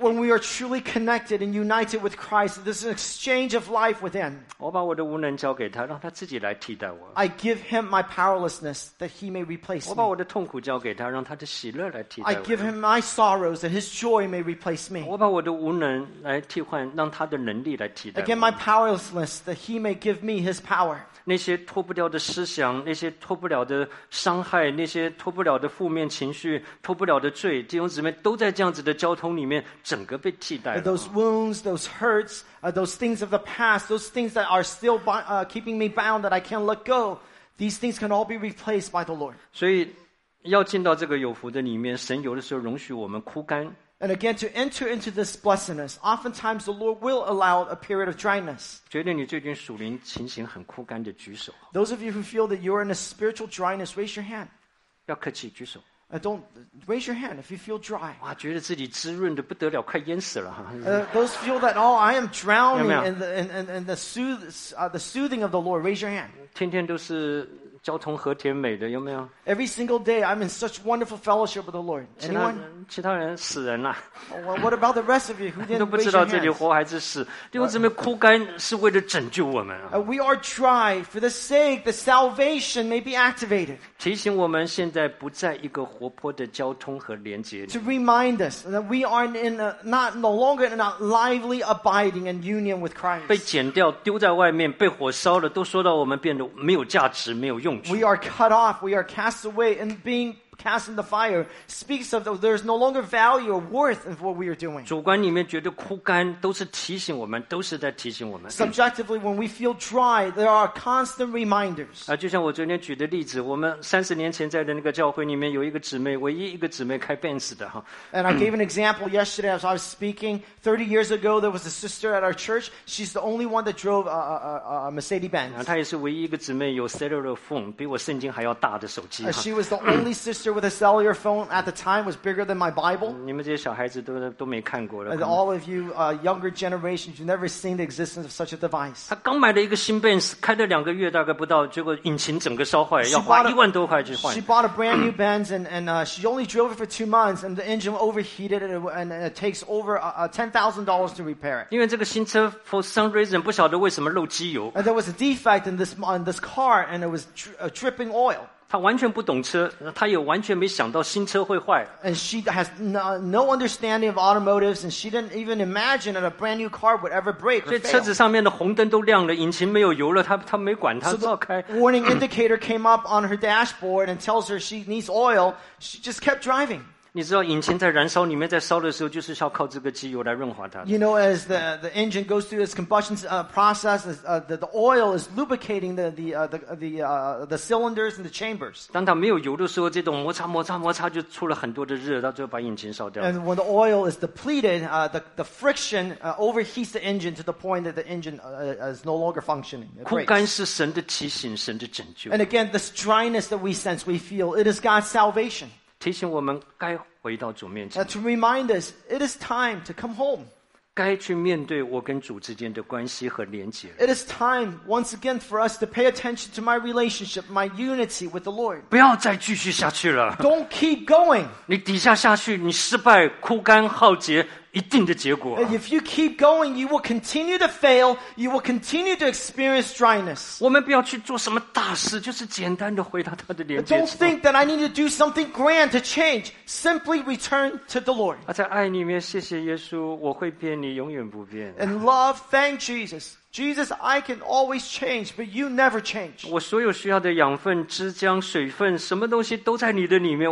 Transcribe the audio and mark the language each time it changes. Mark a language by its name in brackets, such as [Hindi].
[English] When we are truly connected and united with Christ, this. An exchange of life within. [Chinese] 我把我的无能交给他，让他自己来替代我。 [English] I give him my powerlessness that he may replace me. [Chinese] 我把我的痛苦交给他，让他的喜乐来替代我。 [English] I give him my sorrows that his joy may replace me. [Chinese] 我把我的无能来替换，让他的能力来替代我。 [English] Again, my powerlessness that he may give me his power. [Chinese] 那些脱不掉的思想，那些脱不了的伤害，那些脱不了的负面情绪，脱不了的罪，弟兄姊妹都在这样子的交通里面，整个被替代了。 [English] Those wounds, those hurts. Those things of the past, those things that are still keeping me bound that I can't let go, these things can all be replaced by the Lord. [Chinese] 所以要进到这个有福的里面，神有的时候容许我们枯干。 [English] And again, to enter into this blessedness, oftentimes the Lord will allow a period of dryness. [Chinese] 觉得你最近属灵情形很枯干的举手。 [English] Those of you who feel that you're in a spiritual dryness, raise your hand. [Chinese] 要客气，举手。 [English] Don't raise your hand if you feel dry. [Chinese] 哇，觉得自己滋润的不得了，快淹死了。 [English] Those feel that oh, I am drowning in the soothing of the Lord. Raise your hand. [Chinese] 天天都是交通和甜美的，有没有 [English] ？Every single day, I'm in such wonderful fellowship with the Lord. Anyone? [Chinese] 其他人死人了。 [English] What about the rest of you who didn't raise your hands? [Chinese] 都不知道自己活还是死。弟兄姊妹，枯干是为了拯救我们。 [English] We are dry for the sake the salvation may be activated. [Chinese] 提醒我们现在不在一个活泼的交通和连接里。 [English] To remind us that we are in no longer in a lively abiding and union with Christ. [Chinese] 被剪掉，丢在外面，被火烧了，都说到我们变得没有价值，没有。 [English] We are cut off, we are cast away, and being cast in the fire speaks of there is no longer value or worth of what we are doing. [Chinese] 主观里面觉得枯干都是提醒我们，都是在提醒我们。 [English] Subjectively, when we feel dry, there are constant reminders. [Chinese] 就像我昨天举的例子，我们三十年前在的那个教会里面有一个姊妹，唯一一个姊妹开 Benz 的哈。 [English] And I gave an example yesterday as I was speaking. 30 years ago, there was a sister at our church. She's the only one that drove a Mercedes Benz. [Chinese] 她也是唯一一个姊妹有 [English] cellular phone， [Chinese] 比我圣经还要大的手机。 [English] She was the only sister with a cellular phone at the time, was bigger than my Bible. [Chinese] 你们这些小孩子都没看过了。 [English] And all of you younger generations, you've never seen the existence of such a device. [Chinese] 她刚买了一个新 Benz， 开了两个月大概不到，结果引擎整个烧坏，要花一万多块去换。 [English] She bought a brand new Benz and she only drove it for 2 months, and the engine overheated and it takes over $10,000 to repair it. [Chinese] 因为这个新车 [English] for some reason [Chinese] 不晓得为什么漏机油。 [English] And there was a defect in this car, and it was dripping oil. [Chinese] 她完全不懂车，她也完全没想到新车会坏。 [English] And she has no understanding of automotives, and she didn't even imagine that a brand new car would ever break or fail. [Chinese] 车子上面的红灯都亮了，引擎没有油了，她没管，她照开。 [English] So the warning indicator came up on her dashboard and tells her she needs oil. She just kept driving. [Chinese] 你知道引擎在燃烧里面在烧的时候就是要靠这个机油来润滑它的。 [English] You know, as the engine goes through its combustion process, the oil is lubricating the cylinders and the chambers. [Chinese] 当它没有油的时候，这种摩擦摩擦摩擦就出了很多的热，到最后把引擎烧掉。 [English] And when the oil is depleted, the friction overheats the engine to the point that the engine is no longer functioning. [Chinese] 枯干是神的提醒，神的拯救。 [English] And again, this dryness that we sense, we feel, it is God's salvation. [Chinese] 提醒我们该回到主面前。 [English] To remind us, it is time to come home. [Chinese] 该去面对我跟主之间的关系和连结。 [English] It is time once again for us to pay attention to my relationship, my unity with the Lord. [Chinese] 不要再继续下去了。 [English] Don't keep going. [Chinese] 你底下下去，你失败、枯干、耗竭。一定的结果。 [English] If you keep going, you will continue to fail. You will continue to experience dryness. [Chinese] 我们不要去做什么大事，就是简单的回到他的连接。 [English] Don't think that I need to do something grand to change. Simply return to the Lord. [Chinese] 在爱里面，谢谢耶稣，我会变，你永远不变。 [English] In love, thank Jesus. Jesus, I can always change, but you never change. [Chinese] 我所有需要的养分、枝浆、水分，什么东西都在你的里面。